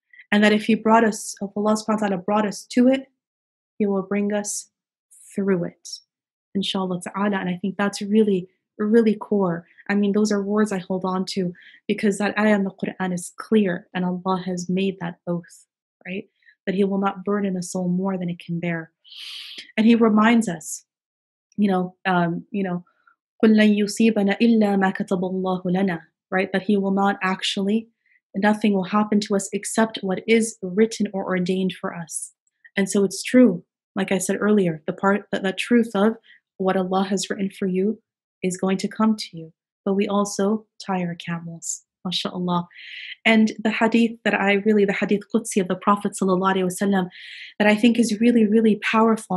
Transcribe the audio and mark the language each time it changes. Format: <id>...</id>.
<en>And that if He brought us, if Allah subhanahu wa ta'ala brought us to it, He will bring us through it, inshallah ta'ala. And I think that's really, really core. I mean, those are words I hold on to, because that ayah in the Quran is clear, and Allah has made that oath, right? That He will not burden a soul more than it can bear. And He reminds us, you know,</en> <ar>قُلْ لَنْ يُصِيبَنَا إِلَّا مَا كَتَبَ اللَّهُ لَنَا, right?</ar> <en>That He will not actually, nothing will happen to us except what is written or ordained for us. And so it's true, like I said earlier, the part that the truth of what Allah has written for you is going to come to you. But we also tie our camels, mashallah. And the hadith that I really, the hadith Qudsi of the Prophet sallallahu alaihi wasallam, that I think is really, really powerful.</en>